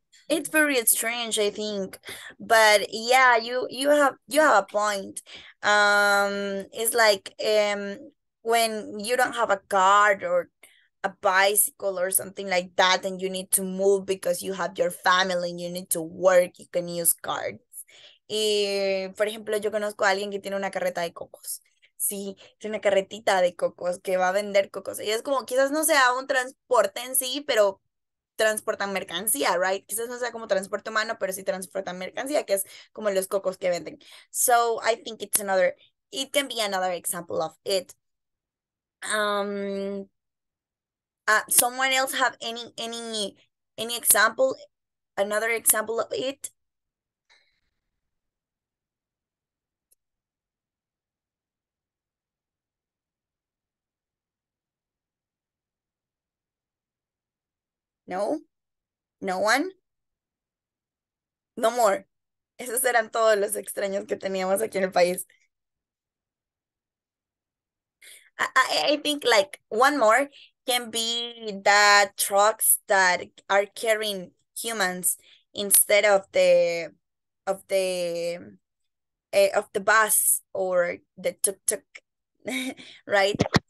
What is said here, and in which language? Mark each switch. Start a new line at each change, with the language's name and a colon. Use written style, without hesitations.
English: It's very strange, I think, but yeah, you have a point. It's like when you don't have a car or a bicycle or something like that, and you need to move because you have your family and you need to work, you can use carts.
Spanish: Y por ejemplo, yo conozco a alguien que tiene una carreta de cocos. Sí, es una carretita de cocos que va a vender cocos. Y es como, quizás no sea un transporte en sí, pero transportan mercancía,
English: right?
Spanish: Quizás no sea como transporte humano, pero sí transportan mercancía, que es como los cocos que venden.
English: So, I think it can be another example of it. Someone else have any example, another example of it? No, no one, no more.
Spanish: Esos eran todos los extraños que teníamos aquí en el país.
English: I think like one more can be the trucks that are carrying humans instead of the bus or the tuk-tuk, right?